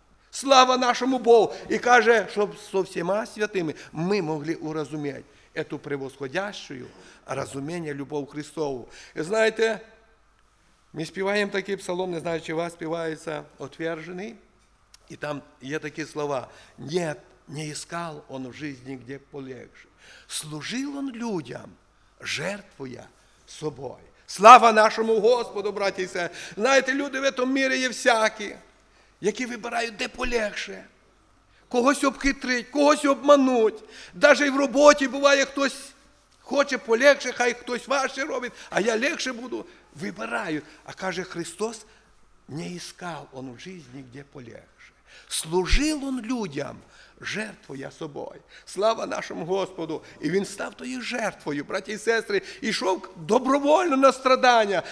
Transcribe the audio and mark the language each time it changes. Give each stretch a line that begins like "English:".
Ukrainian: Слава нашому Богу! І каже, щоб со всіма святими ми могли урозуміти цю превосходящую розуміння любов Христову. І знаєте, ми співаємо такий псалом, не знаю, чи вас співається, «Отвержений». І там є такі слова.
Russian: «Нет, не искал он в жизни, где полегше. Служил он людям, жертвуя собой».
Ukrainian: Слава нашому Господу, браті і сестри! Знаєте, люди в цьому мірі є всякі, які вибирають, де полегше. Когось обхитрить, когось обмануть. Даже і в роботі буває, хтось хоче полегше, хай хтось важче робить, а я легше буду. Вибирають. А каже Христос, не іскав он в житті, де полегше. Служив он людям, жертвою собою. Слава нашому Господу. І він став тою жертвою, браті і сестри, ішов добровольно на страдання.